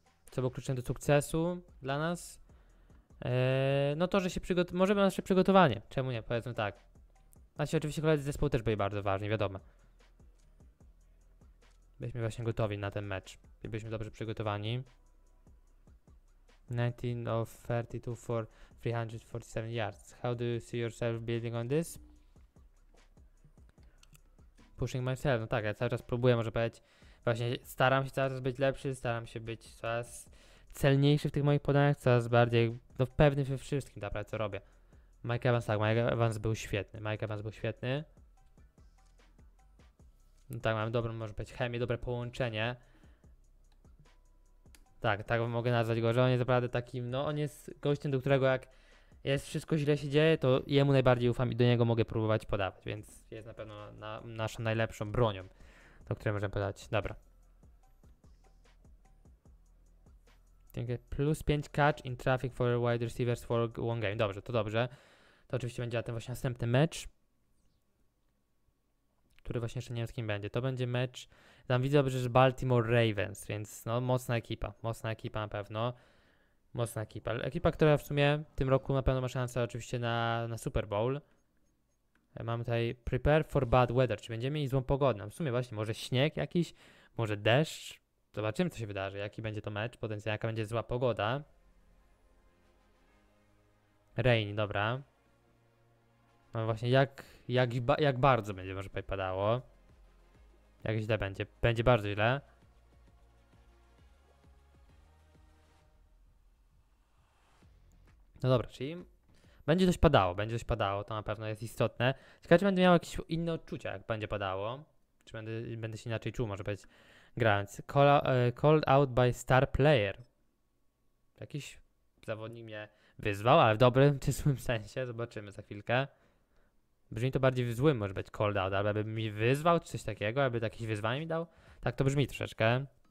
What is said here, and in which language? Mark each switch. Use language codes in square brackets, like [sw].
[pl] Co było kluczem do sukcesu dla nas? No to, że się przygotowaliśmy. Może nasze przygotowanie. Czemu nie? Powiedzmy tak. Znaczy, oczywiście koledzy z zespołu też byli bardzo ważni, wiadomo. Byliśmy właśnie gotowi na ten mecz. Byliśmy dobrze przygotowani. [en] 19 of 32 for 347 yards. How do you see yourself building on this? Pushing myself. [pl] No tak, ja cały czas próbuję, może powiedzieć. Właśnie staram się cały czas być lepszy, staram się być coraz celniejszy w tych moich podaniach, coraz bardziej no, pewny we wszystkim, naprawdę, co robię. Mike Evans, tak, Mike Evans był świetny. Mike Evans był świetny. No tak, mam dobrą, może być chemię, dobre połączenie. Tak, tak mogę nazwać go, że on jest naprawdę takim, no on jest gościem, do którego jak jest wszystko źle się dzieje, to jemu najbardziej ufam i do niego mogę próbować podawać, więc jest na pewno naszą najlepszą bronią, do której możemy podać. Dobra. [en] Plus 5 catch in traffic for wide receivers for one game. [pl] Dobrze, to dobrze. To oczywiście będzie ten właśnie następny mecz. Który właśnie jeszcze nie wiem z kim będzie. To będzie mecz. Tam widzę dobrze, że Baltimore Ravens, więc no mocna ekipa. Mocna ekipa na pewno. Mocna ekipa. Ekipa, która w sumie w tym roku na pewno ma szansę oczywiście na Super Bowl. Mamy tutaj [en] prepare for bad weather. [pl] Czy będziemy mieli złą pogodę? W sumie właśnie może śnieg jakiś, może deszcz. Zobaczymy, co się wydarzy. Jaki będzie to mecz? Potencjalnie jaka będzie zła pogoda. Rain, dobra. No właśnie, jak bardzo będzie może padało. Jak źle będzie. Będzie bardzo źle. No dobra, czyli będzie coś padało. Będzie coś padało, to na pewno jest istotne. Ciekawe, czy będę miał jakieś inne odczucia, jak będzie padało. Czy będę się inaczej czuł, może być grając. [en] Called out by star player. [pl] Jakiś zawodnik mnie wyzwał, ale w dobrym czy złym sensie. Zobaczymy za chwilkę. Brzmi to bardziej w złym, może być [en] called out, [pl] albo by mi wyzwał, czy coś takiego, aby jakieś wyzwanie mi dał. Tak to brzmi troszeczkę.